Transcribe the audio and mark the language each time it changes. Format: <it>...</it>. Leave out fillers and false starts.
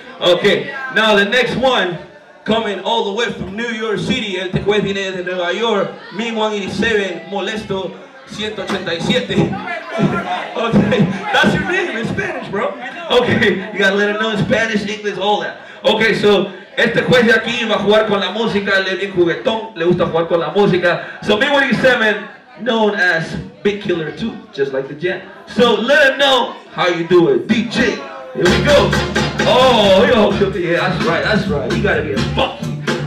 <en>Okay, now the next one, coming all the way from New York City,</en> <es>el juez viene de Nueva York,</es> <en>Meen 187, molesto. 187. Okay, that's your name in Spanish, bro. Okay, you gotta let him know in Spanish, English, all that.</en> <es>Okay, so este juez de aquí va a jugar con la música. Le di juguetón, le gusta jugar con la música.</es> <en>So Meen 187, known as Big Killer 2, just like the jam. So let him know how you do it, DJ. Here we go. Oh, yo, yeah, that's right, that's right. You gotta be a fucky.</en>